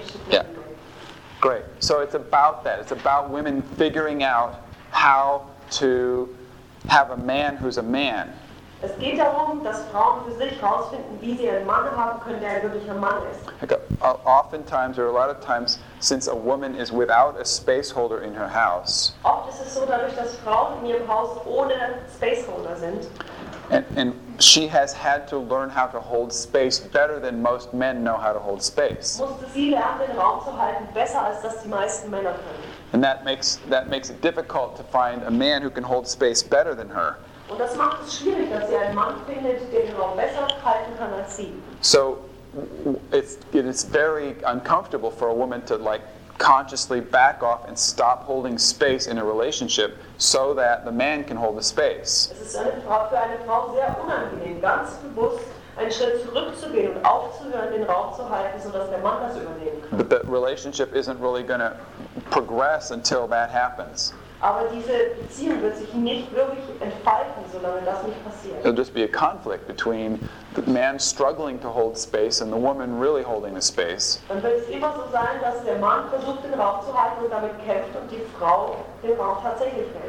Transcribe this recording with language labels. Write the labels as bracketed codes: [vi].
[en] Yeah. Great. So it's about that. It's about women figuring out how to have a man who's a man. [de] Es geht darum, dass Frauen für sich herausfinden, wie sie einen Mann haben können, der ein wirklicher Mann ist. [en] Okay. Oftentimes, or a lot of times, since a woman is without a space holder in her house. [de] Oft ist es so, dadurch, dass Frauen in ihrem Haus ohne space holder sind. [en] And she has had to learn how to hold space better than most men know how to hold space. [de] Musste sie lernen, Raum zu halten, besser als das die meisten Männer können. [en] And that makes it difficult to find a man who can hold space better than her. [de] Und das macht es schwierig, dass sie einen Mann findet, der den Raum besser halten kann als sie. [en] So it's very uncomfortable for a woman to like consciously back off and stop holding space in a relationship so that the man can hold the space. [de] Es ist für eine Frau sehr unangenehm, ganz bewusst einen Schritt zurückzugehen und aufzuhören, den Raum zu halten, so dass der Mann das übernehmen kann. [en] But the relationship isn't really going to progress until that happens. [de] Aber diese Beziehung wird sich nicht wirklich entfalten, solange das nicht passiert. [en] It'll just be a conflict between the man struggling to hold space and the woman really holding the space. [de] Dann wird es immer so sein, dass der Mann versucht, den Raum zu halten und damit kämpft und die Frau den Raum tatsächlich hält.